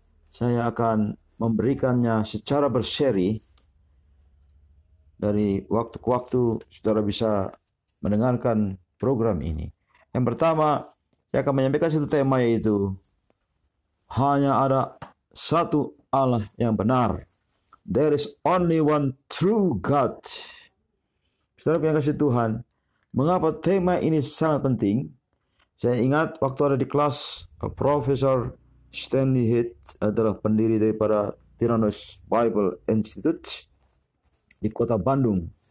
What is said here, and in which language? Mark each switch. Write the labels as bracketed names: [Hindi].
[Indonesian] Saya akan memberikannya secara berseri. Dari waktu ke waktu saudara bisa mendengarkan program ini. Yang pertama, saya akan menyampaikan satu tema, yaitu hanya ada satu Allah yang benar. [English] There is only one true God. [Indonesian] Saudara yang kasih Tuhan, mengapa tema ini sangat penting? Saya ingat waktu ada di kelas, Profesor Stanley Heath adalah pendiri daripada Tyrannus Bible Institute di kota Bandung.